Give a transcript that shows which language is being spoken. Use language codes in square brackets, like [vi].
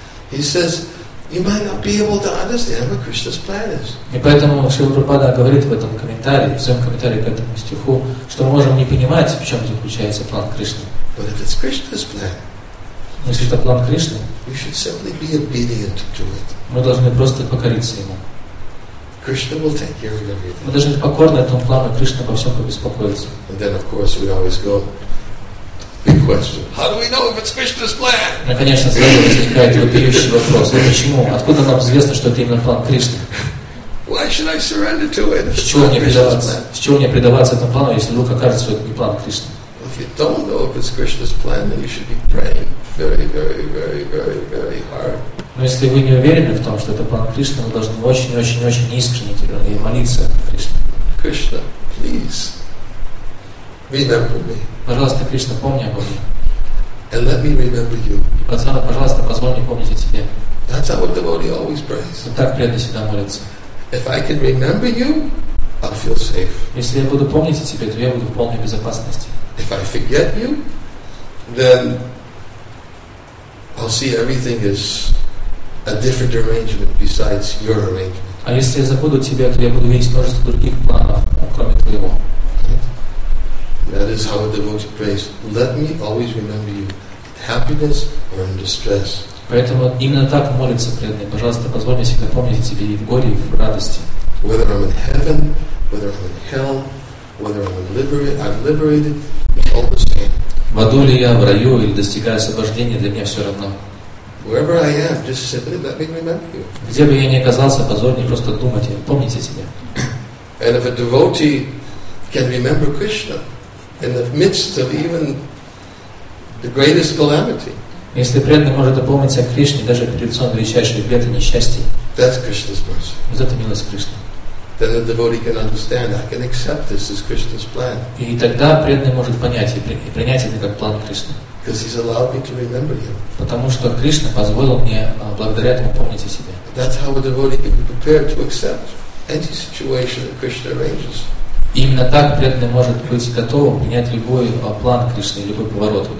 [en] He says, you might not be able to understand what Krishna's plan is. [ru] И поэтому Шрила Прабхупада говорит в этом комментарии, в своем комментарии к этому стиху, что мы можем не понимать, в чем заключается план Кришны. [en] But if it's Krishna's plan, [ru] если это план Кришны, [en] we should simply be obedient to it. [ru] Мы должны просто покориться ему. [en] Krishna will take care of everything. [ru] Мы должны быть покорны этому плану, Кришна обо всем побеспокоится. [en] And then, of course, we always go. Big question. How do we know if it's Krishna's plan? [ru] Наконец-то сразу возникает вопиющий вопрос. Почему? Откуда нам известно, что это именно план Кришны? [en] Why should I surrender to it? [ru] С чего мне предаваться? С чего мне предаваться этому плану, если вдруг окажется, что это не план Кришны? [en] If you don't know if it's Krishna's plan, then you should be praying very, very, very, very, very hard. [ru] Но если вы не уверены в том, что это план Кришны, вы должны очень, очень, очень искренне молиться Кришне. [en] Krishna, please. Remember me. [ru] Пожалуйста, Кришна, помни обо мне. [en] And let me remember you. [ru] И пацана, пожалуйста, позволь мне помнить о тебе. [en] That's how a devotee always prays. [ru] Вот так преданный всегда молится. [en] If I can remember you, I'll feel safe. [ru] Если я буду помнить о тебе, то я буду в полной безопасности. [en] If I forget you, then I'll see everything as a different arrangement besides your arrangement. [ru] А если я забуду тебя, то я буду видеть множество других планов, кроме твоего. [en] That is how a devotee prays. Let me always remember you in happiness or in distress. [ru] Поэтому именно так молится преданный. Пожалуйста, позволь мне всегда помнить тебе и в горе, и в радости. [en] Whether I'm in heaven, whether I'm in hell, whether I'm liberated, it's all the same. [ru] В аду ли я, в раю или достигаю освобождения, для меня все равно. [en] Wherever I am, just simply let me remember you. [ru] Где бы я ни оказался, позволь мне просто думать и помнить о тебе. [en] And if a devotee can remember Krishna. In the midst of even the greatest calamity. [ru] Если преданный может опомниться о Кришне даже перед лицом величайшей беды и несчастья. [en] That's Krishna's mercy. [ru] Вот это милость Кришны. [en] Then the devotee can understand. I can accept this as Krishna's plan. [ru] И тогда преданный может понять и принять это как план Кришны. [en] Because he's allowed me to remember him. [ru] Потому что Кришна позволил мне благодаря этому помнить о себе. [en] That's how a devotee can be prepared to accept any situation that Krishna arranges. [ru] Именно так преданный может быть готовым принять любой план Кришны, любой поворот.